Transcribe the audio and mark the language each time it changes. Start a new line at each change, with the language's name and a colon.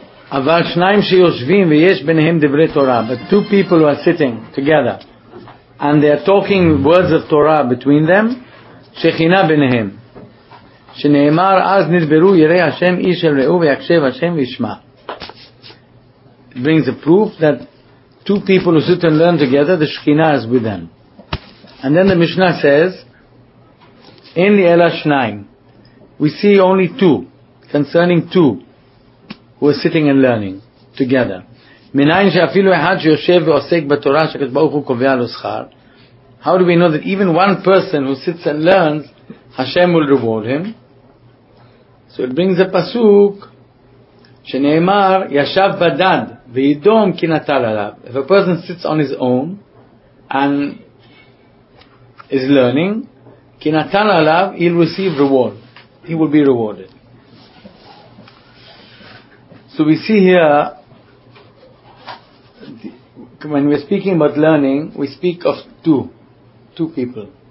Hebrew: Aval shnayim sheyoshvim ve'yesh b'nehem divrei Torah.
English: But two people who are sitting together, and they are talking words of Torah between them,
Hebrew: shechina b'nehem. שנאמר אז נדברו יראי השם איש אל ראו ויקשב השם וישמע.
English: It brings a proof that two people who sit and learn together, the Shekhinah is with them. And then the Mishnah says,
Hebrew: אין לי אלא שניים.
English: We see only two, concerning two, who are sitting and learning together.
Hebrew: מניין שאפילו אחד שיושב ועוסק בתורה שקדוש ברוך הוא קובע לו שכר.
English: How do we know that even one person who sits and learns, Hashem will reward him? So it brings a pasuk
Hebrew: שנאמר ישב בדד וידום כי נטל עליו.
English: If a person sits on his own and is learning,
Hebrew: כי נטל עליו,
English: he'll receive reward. He will be rewarded. So we see here, when we're speaking about learning, we speak of two people.